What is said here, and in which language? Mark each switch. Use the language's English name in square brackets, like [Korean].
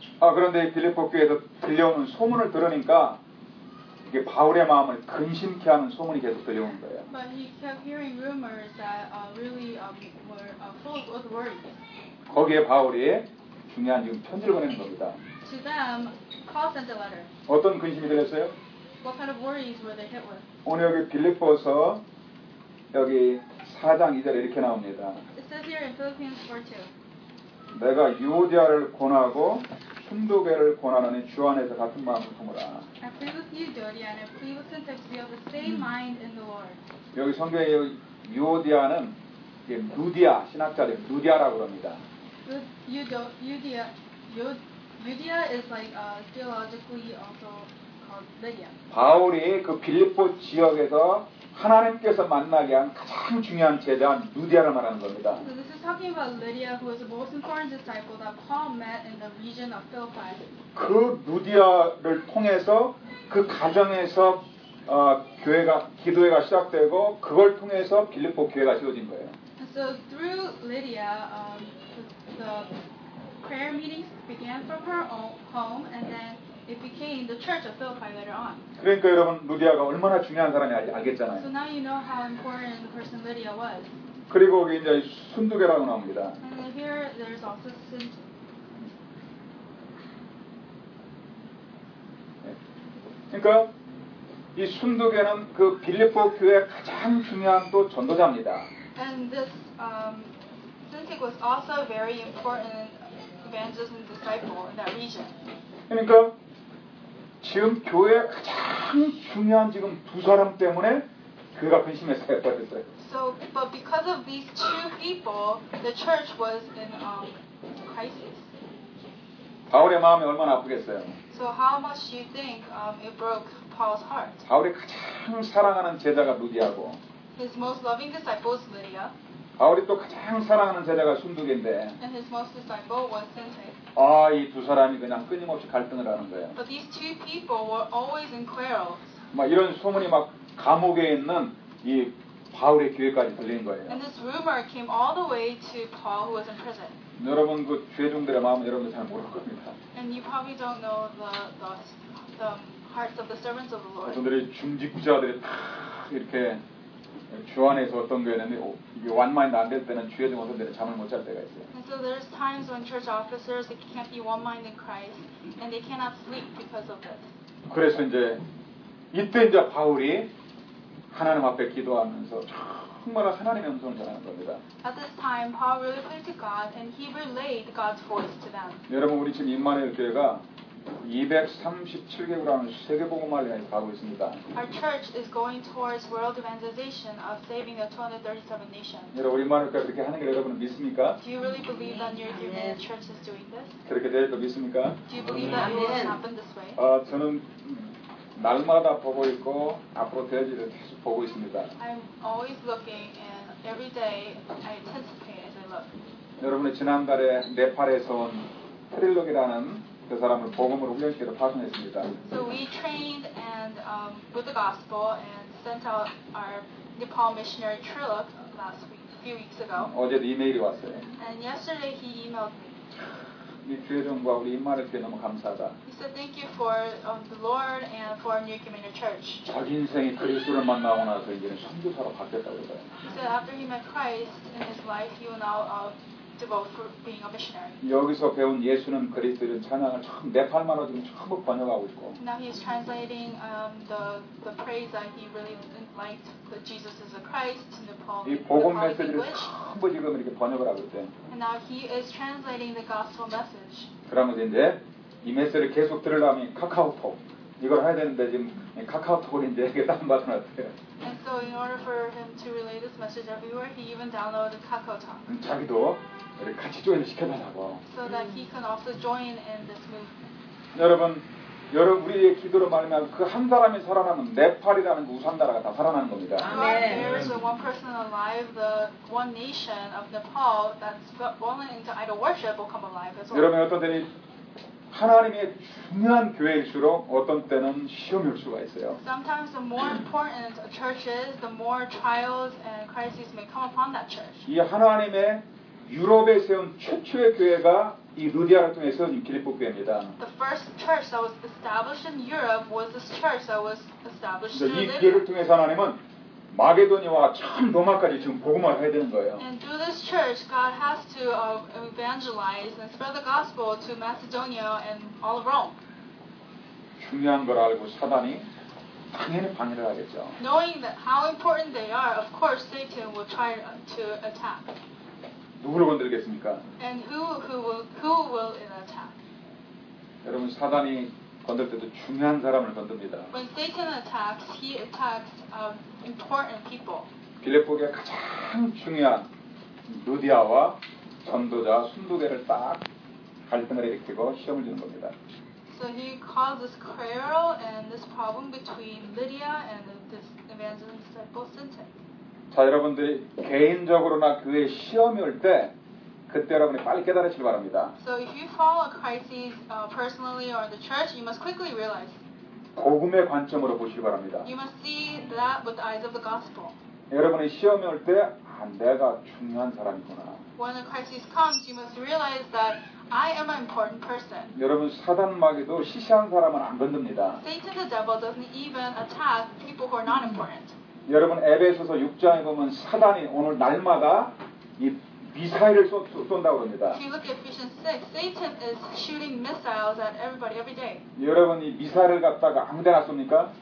[Korean] 그런데 빌립보 교회에서 들려오는 소문을 들으니까 이게 바울의 마음을 근심케 하는 소문이 계속 들려오는 거예요. [English] But he kept hearing rumors that really were full of worries. [Korean] 거기에 바울이 중요한 지금 편지를 보내는 겁니다. [English] To them, Paul sent a letter. [Korean] 어떤 근심이 들었어요? [English] What kind of worries were they hit with? [Korean] 오늘 여기 빌립보서 여기 4장 2절 이렇게 나옵니다. [English] It says here in Philippians 4:2. [Korean] 내가 유오디아를 권하고 순도계를 권하는 주 안에서 같은 마음을 품으라. [English] I plead with you, Dodia, and I plead with Syntyche to be of the same mind in the Lord. [Korean] 여기 성경에 유오디아는 이게 루디아 신학자들 루디아라고 합니다. [English] Udia is like theologically also called Lydia. [Korean] 바울이 그 빌립보 지역에서 하나님께서 만나게 한 가장 중요한 제자 루디아를 말하는 겁니다. [English] So this is talking about Lydia, who was the most important disciple that Paul met in the region of Philippi. [Korean] 그 루디아를 통해서 그 가정에서 교회가 기도회가 시작되고 그걸 통해서 빌립보 교회가 세워진 거예요. [English] So through Lydia, the prayer meetings began from her home, and then it became the church of Philippi later on. [Korean] 그러니까 여러분 루디아가 얼마나 중요한 사람이 알겠잖아요. [English] So now you know how important the person Lydia was. [Korean] 그리고 여기 이제 순두개라고 나옵니다. [English] And then here there's also Synt. [Korean] 그러니까 이 순두개는 그 빌립보 교회 가장 중요한 또 전도자입니다. [English] And this Synt was also very important. Evangelist and disciple in that region. [Korean] 그러니까 지금 교회 가장 중요한 지금 두 사람 때문에 교회가 근심했어요, 그랬어요. [English] So, but because of these two people, the church was in crisis. [Korean] 바울의 마음이 얼마나 아프겠어요. [English] So, how much do you think it broke Paul's heart? [Korean] 바울이 가장 사랑하는 제자가 루디아고. [English] His most loving disciple is Lydia. [Korean] 바울이 또 가장 사랑하는 제자가 순두개인데 이 두 사람이 그냥 끊임없이 갈등을 하는 거예요. [English] But these two people were always in quarrels. [Korean] 막 이런 소문이 막 감옥에 있는 이 바울의 귀에까지 들린 거예요. [English] And this rumor came all the way to Paul who was in prison. [Korean] 여러분 그 죄종들의 마음은 여러분 잘 모를 겁니다. [English] And you probably don't know the hearts of the servants of the Lord. [Korean] 여러분들이 중직부자들이 다 이렇게 주 안에서 어떤 교회는 이게 원마인드 안 될 때는 주의 중 어떤 때는 잠을 못 잘 때가 있어요. [English] And so there's times when church officers they can't be one mind in Christ and they cannot sleep because of this. [Korean] 그래서 이제 이때 이제 바울이 하나님 앞에 기도하면서 정말 하나님의 음성을 전하는 겁니다. [English] At this time, Paul really prayed to God and he relayed God's voice to them. [Korean] 여러분 우리 지금 임마누엘 교회가 237개국이라는 세계복음화를 향해 가고 있습니다. [English] Our church is going towards world evangelization of saving the 237 nations. [Korean] 여러분 이만할까 그렇게 하는 게 여러분은 믿습니까? [English] Do you really believe that your human church is doing this? [Korean] 그렇게 될 거 믿습니까? [English] Do you believe that it will happen this way? [Korean] 저는 날마다 보고 있고 앞으로 될지를 계속 보고 있습니다. [English] I'm always looking and every day I anticipate as I look. [Korean] 여러분의 지난달에 네팔에서 온 트릴록이라는 그 사람을 복음으로 훈련시켜서 파송했습니다. [English] So we trained and with the gospel and sent out our Nepal missionary Trilok last week, few weeks ago. [Korean] 어제도 이메일이 왔어요. [English] And yesterday he emailed me. [Korean] 네 교회들과 우리 인마를 위해 너무 감사하다. [English] He said thank you for the Lord and for New Community Church. [Korean] 자기 인생이 그리스도를 만나고 나서 이제는 선교사로 바뀌었다고 그래요. [English] He said after he met Christ in his life, he will now devote for being a missionary. [Korean] 여기서 배운 예수는 그리스도를 찬양을 참 네팔말로 지금 처음 번역하고 있고. [English] Now he is translating the praise that he really liked that Jesus is a Christ in Nepal. [Korean] 이 복음 메시지를 처음 지금 이렇게 번역을 하고 있대. [English] And now he is translating the gospel message. [Korean] 그러면 이제 이 메시지를 계속 들으려면 카카오톡 이걸 해야 되는데 지금 카카오톡을 이제 이게 다운받은 것 같아요. [English] And so in order for him to relay this message everywhere, he even downloaded KakaoTalk. [Korean] 자기도 같이 조인을 시켜달라고. [English] So that he can also join in this movement. [Korean] 여러분, 여러분 우리의 기도로 말하면 그 한 사람이 살아나면 네팔이라는 우산 나라가 다 살아나는 겁니다. [English] Amen. There is one person alive, the one nation of Nepal that's fallen into idol worship will come alive as well. [Korean] 여러분 어떤 때는 하나님의 중요한 교회일수록 어떤 때는 시험일 수가 있어요. [English] Sometimes the more important a church is, the more trials and crises may come upon that church. [Korean] 이 하나님의 유럽에 세운 최초의 교회가 이 루디아를 통해 세운 길립보 교회입니다. [English] The first church that was established in Europe was this church that was established in Lydia. [Korean] 이 교회를 통해서 하나님은 마게도니아와 참 로마까지 지금 복음을 해야 되는 거예요. [English] And through this church, God has to evangelize and spread the gospel to Macedonia and all of Rome. [Korean] 중요한 걸 알고 사단이 당연히 방해를 하겠죠. [English] Knowing that how important they are, of course Satan will try to attack. [Korean] 누구를 건드리겠습니까? [English] And who will it attack? [Korean] 여러분 사단이 건들 때도 중요한 사람을 건듭니다. [English] When Satan attacks, he attacks important people. [Korean] 빌립보에 가장 중요한 루디아와 전도자 순두개를 딱 갈등을 일으키고 시험을 주는 겁니다. [English] So he causes quarrel and this problem between Lydia and this evangelist disciple Satan. [Korean] 자 여러분들이 개인적으로나 교회 시험이 올 때. 그때 여러분이 빨리 깨달으시길 바랍니다. [English] So if you follow a crisis personally or the church, you must quickly realize. [Korean] 복음의 관점으로 보시길 바랍니다. [English] You must see that with the eyes of the gospel. [Korean] 여러분이 시험이 올 때, 아, 내가 중요한 사람이구나. [English] When a crisis comes, you must realize that I am an important person. [Korean] 여러분 사단 마귀도 시시한 사람은 안 건듭니다. [English] Satan the devil doesn't even attack people who are not important. [Korean] 여러분 에베소서 6장에 보면 사단이 오늘 날마다 이 미사일을 쏜다고 합니다. [English] If you look at Ephesians 6, Satan is shooting missiles at everybody every day. [Korean] 여러분 이 미사일을 갖다가 아무데나 쏩니까?